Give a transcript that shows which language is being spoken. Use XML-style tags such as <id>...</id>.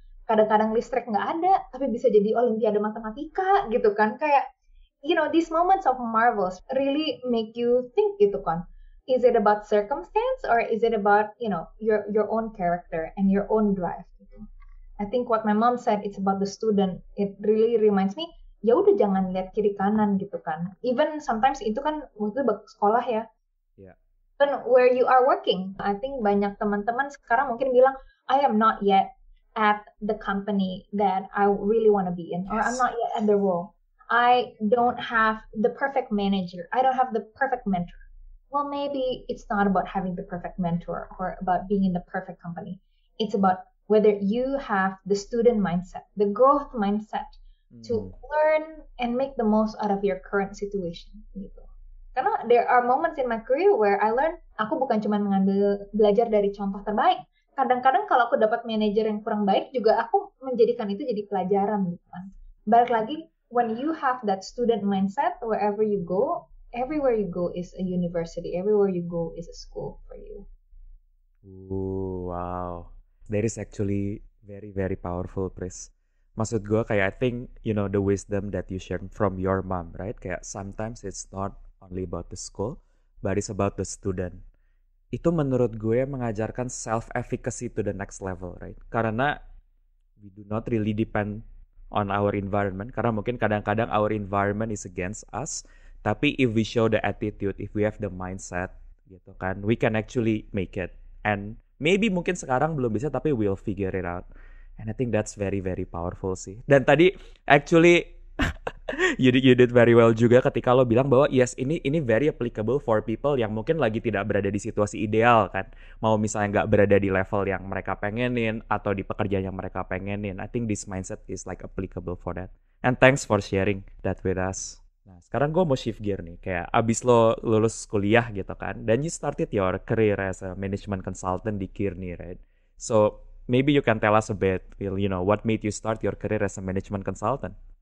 <id>Kadang-kadang listrik nggak ada, tapi bisa jadi</id> <en>olimpiade matematika</en> <id>gitu kan. Kayak,</id> <en>you know, these moments of marvels really make you think</en> <id>gitu kan.</id> <en>Is it about circumstance or is it about, you know, your own character and your own drive? I think what my mom said, it's about the student. It really reminds me,</en> <id>ya udah jangan lihat kiri kanan gitu kan.</id> <en>Even sometimes</en> <id>itu kan waktu sekolah ya.</id> <en>Even where you are working, I think</en> <id>banyak teman-teman sekarang mungkin bilang,</id> <en>I am not yet at the company that I really want to be in, or Yes. I'm not yet at the role. I don't have the perfect manager. I don't have the perfect mentor. Well, maybe it's not about having the perfect mentor or about being in the perfect company. It's about whether you have the student mindset, the growth mindset to learn and make the most out of your current situation.</en> <id>Gitu. Karena</id> <en>there are moments in my career where I learn,</en> <id>aku bukan cuma mengambil belajar dari contoh terbaik. Kadang-kadang kalau aku dapat manajer yang kurang baik, juga aku menjadikan itu jadi pelajaran. Gitu. Balik lagi,</id> <en>when you have that student mindset, wherever you go, everywhere you go is a university. Everywhere you go is a school for you. Wow, that is actually very very powerful, Pris.</en> <id>Maksud gue kayak</id> <en>I think you know the wisdom that you share from your mom, right?</en> <id>Kayak</id> <en>sometimes it's not only about the school, but it's about the student.</en> <id>Itu menurut gue mengajarkan</id> <en>self-efficacy to the next level, right?</en> <id>Karena</id> <en>we do not really depend on our environment.</en> <id>Karena mungkin kadang-kadang</id> <en>our environment is against us,</en> <id>tapi</id> <en>if we show the attitude, if we have the mindset,</en> <id>gitu kan,</id> <en>we can actually make it. And maybe</en> <id>mungkin sekarang belum bisa, tapi</id> <en>we'll figure it out. And I think that's very, very powerful</en> <id>sih. Dan tadi,</id> <en>actually, you did very well</en> <id>juga ketika lo bilang bahwa</id> <en>yes,</en> <id>ini</id> <en>very applicable for people</en> <id>yang mungkin lagi tidak berada di situasi ideal, kan. Mau misalnya nggak berada di level yang mereka pengenin, atau di pekerjaan yang mereka pengenin.</id> <en>I think this mindset is like applicable for that. And thanks for sharing that with us.</en> <id>Nah, sekarang gue mau</id> <en>shift gear</en> <id>nih, kayak abis lo lulus kuliah gitu kan,</id> <en>then you started your career as a management consultant</en> <id>di</id> <en>Kearney, right? So, maybe you can tell us a bit, you know, what made you start your career as a management consultant?</en>